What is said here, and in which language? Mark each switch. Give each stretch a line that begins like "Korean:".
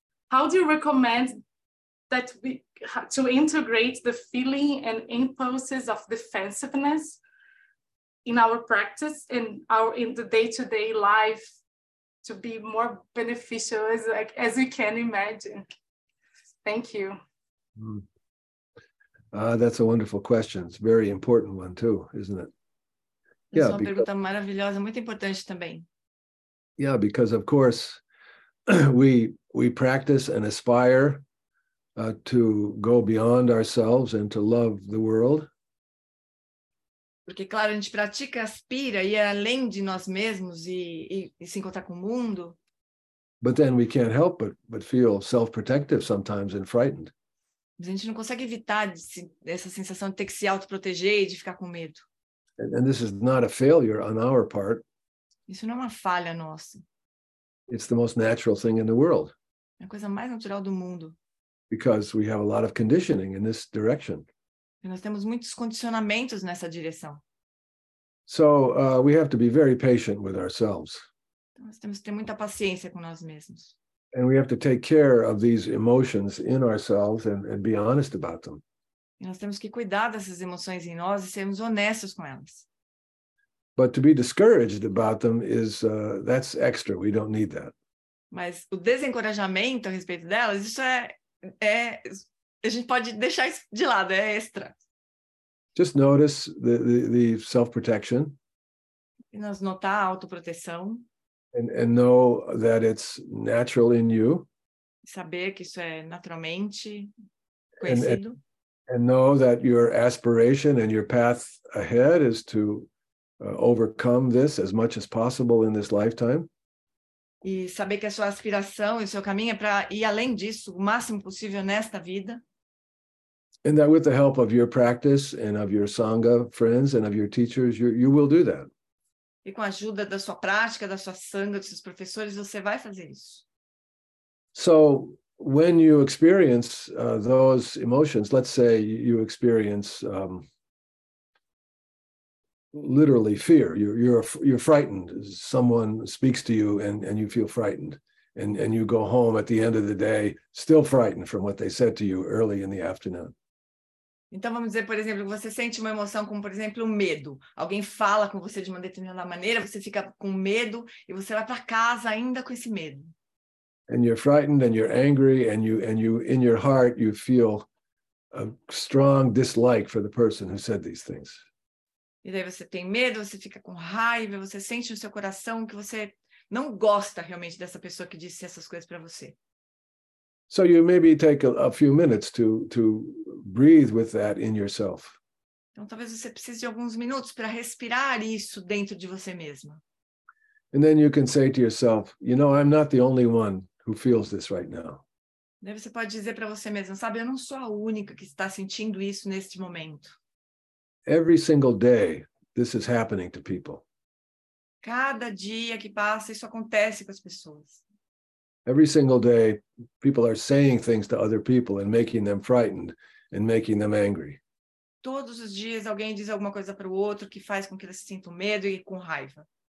English: How do you recommend that we to integrate the feeling and impulses of defensiveness in our practice and in the day-to-day life to be more beneficial as we can imagine? Thank you. Mm. That's a wonderful question. It's a very important one too, isn't it?
Portuguese: Yeah, é uma pergunta maravilhosa, muito importante também.
English: Yeah, because of course we practice and aspire to go beyond ourselves and to love the world.
Portuguese: Porque claro, a gente pratica, aspira e é além de nós mesmos e se encontrar com o mundo.
English: But then we can't help but feel self-protective sometimes and frightened.
Portuguese: Mas a gente não consegue evitar essa sensação de ter que se autoproteger e de ficar com medo.
English: And this is not a failure on our part.
Portuguese: Isso não é uma falha nossa.
English: It's the most natural thing in the world.
Portuguese: É a coisa mais natural do mundo.
English: Because we have a lot of conditioning in this direction.
Portuguese: E nós temos muitos condicionamentos nessa direção.
English: So we have to be very patient with ourselves.
Portuguese: Então, nós temos que ter muita paciência com nós mesmos.
English: And we have to take care of these emotions in ourselves and be honest about them.
Portuguese: E nós temos que cuidar dessas emoções em nós e sermos honestos com elas.
English: But to be discouraged about them is that's extra. We don't need that.
Portuguese: Mas o desencorajamento a respeito delas, isso é a gente pode deixar isso de lado, é extra.
English: Just notice the self-protection.
Portuguese: E nós notar a autoproteção.
English: And know that it's natural in you.
Portuguese: Saber que isso é naturalmente conhecido.
English: And know that your aspiration and your path ahead is to overcome this as much as possible in this lifetime.
Portuguese: E saber que a sua aspiração e o seu caminho é para ir além disso o máximo possível nesta vida.
English: And that with the help of your practice and of your sangha friends and of your teachers, you will do that.
Portuguese: E com a ajuda da sua prática, da sua sangha, dos seus professores, você vai fazer isso.
English: So, when you experience those emotions, let's say you experience literally fear. You're frightened. Someone speaks to you and you feel frightened. And you go home at the end of the day still frightened from what they said to you early in the afternoon.
Portuguese: Então, vamos dizer, por exemplo, que você sente uma emoção como, por exemplo, medo. Alguém fala com você de uma determinada maneira, você fica com medo e você vai para casa ainda com esse medo.
English: And you're frightened and you're angry and you in your heart, you feel a strong dislike for the person who said these things.
Portuguese: E daí você tem medo, você fica com raiva, você sente no seu coração que você não gosta realmente dessa pessoa que disse essas coisas para você.
English: So you maybe take a few minutes to breathe with that in yourself.
Portuguese: Então talvez você precise de alguns minutos para respirar isso dentro de você mesma.
English: And then you can say to yourself, you know, I'm not the only one who feels this right now.
Portuguese: Daí você pode dizer para você mesma, sabe, eu não sou a única que está sentindo isso neste momento.
English: Every single day this is happening to people.
Portuguese: Cada dia que passa isso acontece com as pessoas.
English: Every single day, people are saying things to other people and making them frightened and making them angry.
Portuguese: Todos os dias, alguém diz alguma coisa para o outro que faz com que eles sintam medo e com raiva.